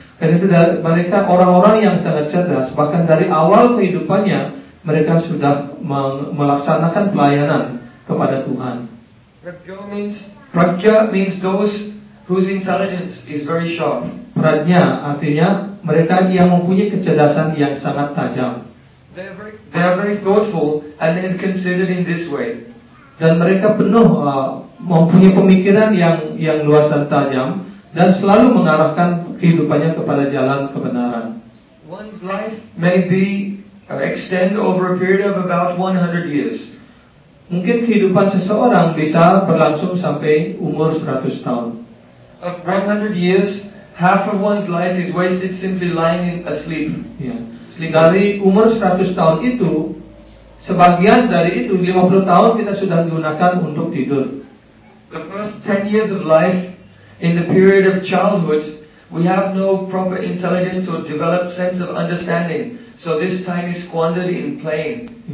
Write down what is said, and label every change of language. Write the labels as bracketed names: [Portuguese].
[Indonesian] Karena itu mereka orang-orang yang sangat cerdas, bahkan dari awal kehidupannya, mereka sudah melaksanakan pelayanan kepada Tuhan. [English] Prajna means those whose intelligence is very sharp. [Indonesian] Prajna artinya mereka yang mempunyai kecerdasan yang sangat tajam. [English] They are very thoughtful and they are considered in this way. [Indonesian] Dan mereka penuh mempunyai pemikiran yang luas dan tajam dan selalu mengarahkan kehidupannya kepada jalan kebenaran. [English] One's life may be extend over a period of about 100 years. [Indonesian] Mungkin kehidupan seseorang bisa berlangsung sampai umur 100 tahun. [English] Of 100 years, half of one's life is wasted simply lying asleep. [Indonesian] Dari umur 100 tahun itu, sebagian dari itu 50 tahun kita sudah gunakan untuk tidur. [English] The first 10 years of life, in the period of childhood, we have no proper intelligence or developed sense of understanding. So this time is squandered in playing.